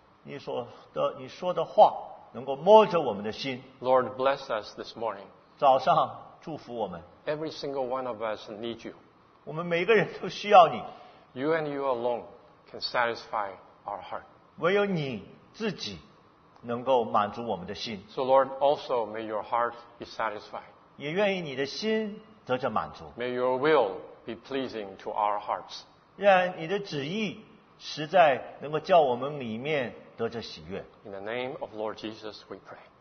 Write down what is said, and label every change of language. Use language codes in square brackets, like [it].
[zh] 你说的话能够摸着我们的心。 [en] Lord, bless us this morning. [zh] 早上祝福我们。 [en] Every single one of us needs you. [zh] 我们每个人都需要你。 [en] You and you alone can satisfy our heart. [zh] 唯有你自己能够满足我们的心。 [en] So Lord, also may your heart be satisfied. [zh] 也愿意你的心得着满足。 [en] May your will be pleasing to our hearts. [zh] 让你的旨意实在能够叫我们里面得着喜悦。 [en] In the name of Lord Jesus, we pray.